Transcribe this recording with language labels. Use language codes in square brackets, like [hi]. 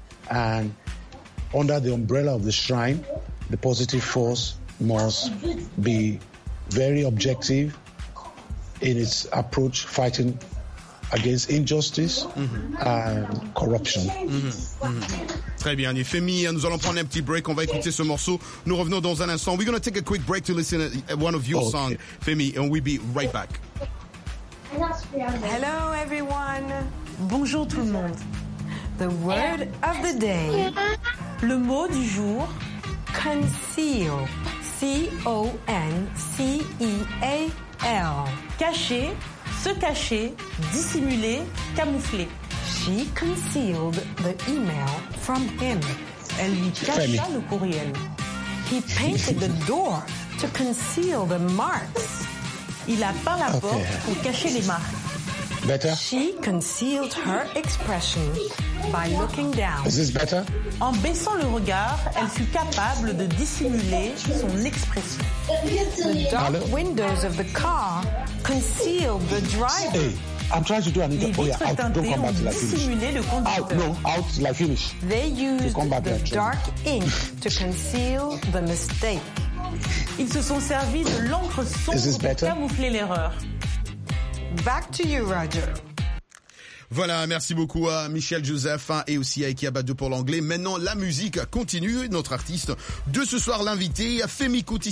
[en] And under the umbrella of the shrine, the Positive Force must be very objective in its approach, fighting against injustice and corruption. [fr] Très bien. Et Femi, nous allons prendre un petit break. On va écouter ce morceau. Nous revenons dans un instant. [en] We're going to take a quick break to listen to one of your songs, Femi, and we'll be right back. Hello, everyone. [fr] Bonjour, tout le monde. [en] The word of the day. [fr] Le mot du jour, [en] conceal. C-O-N-C-E-A-L. [fr] Cacher, se cacher, dissimuler, camoufler. [en] She concealed the email from him. [fr] Elle lui cacha le courriel. [en] He painted the door to conceal the marks. [fr] Il a peint la porte pour cacher les marques. [en] Better? She concealed her expression by looking down. Is this better? [fr] En baissant le regard, elle fut capable de dissimuler son expression. [en] The dark windows of the car concealed the driver. Hey. I'm trying to do an interview. [fr] Les vitres teintées ont dissimulé le conducteur. [en] Out, la finish. They used the dark ink to conceal the mistake. [fr] Ils se sont servis de l'encre sombre pour camoufler l'erreur. [en] Back to you, Roger. [fr] Voilà, merci beaucoup à Michel Joseph et aussi à Eki Abadou pour l'anglais. Maintenant, la musique continue. Notre artiste de ce soir, l'invité, Femi Kuti.